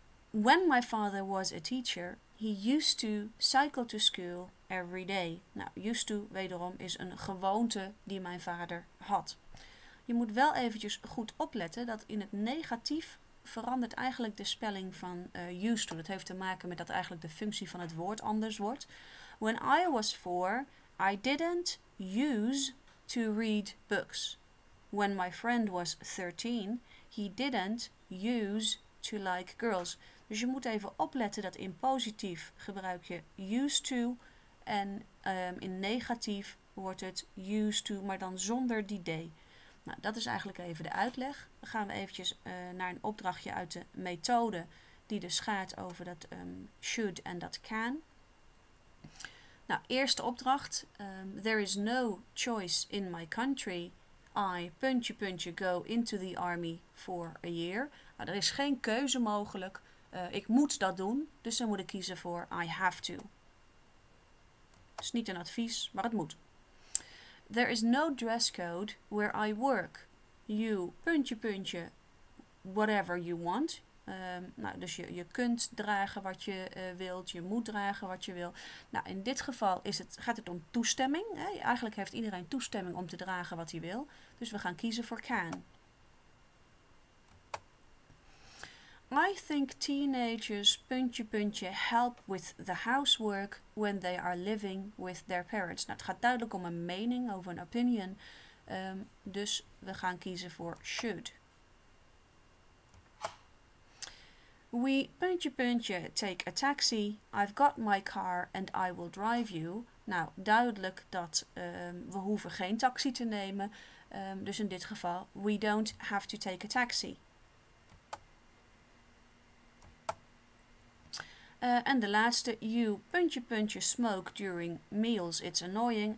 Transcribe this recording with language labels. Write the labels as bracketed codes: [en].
[en] When my father was a teacher, he used to cycle to school every day. [nl] Nou, used to, wederom, is een gewoonte die mijn vader had. Je moet wel eventjes goed opletten dat in het negatief verandert eigenlijk de spelling van used to. Dat heeft te maken met dat eigenlijk de functie van het woord anders wordt. [en] When I was 4, I didn't use to read books. When my friend was 13, he didn't use to like girls. [nl] Dus je moet even opletten dat in positief gebruik je used to. En in negatief wordt het used to, maar dan zonder die d. Nou, dat is eigenlijk even de uitleg. Dan gaan we eventjes naar een opdrachtje uit de methode die dus gaat over dat should en dat can. Nou, eerste opdracht. [en] There is no choice in my country. I [nl] puntje puntje [en] go into the army for a year. [nl] Nou, er is geen keuze mogelijk. Ik moet dat doen, dus dan moet ik kiezen voor [en] I have to. [nl] Het is niet een advies, maar het moet. [en] There is no dress code where I work. You, [nl] puntje, puntje, [en] whatever you want. [nl] Dus je kunt dragen wat je wilt, je moet dragen wat je wilt. Nou, in dit geval gaat het om toestemming. Hè? Eigenlijk heeft iedereen toestemming om te dragen wat hij wil. Dus we gaan kiezen voor can. [en] I think teenagers, [nl] puntje, puntje, [en] help with the housework when they are living with their parents. [nl] Nou, het gaat duidelijk om een mening, over een opinion. Dus we gaan kiezen voor should. [en] We, [nl] puntje, puntje, [en] take a taxi. I've got my car and I will drive you. [nl] Nou, duidelijk dat we hoeven geen taxi te nemen. Dus in dit geval, [en] we don't have to take a taxi. [nl] En de laatste, [en] you [nl] puntje puntje [en] smoke during meals, it's annoying.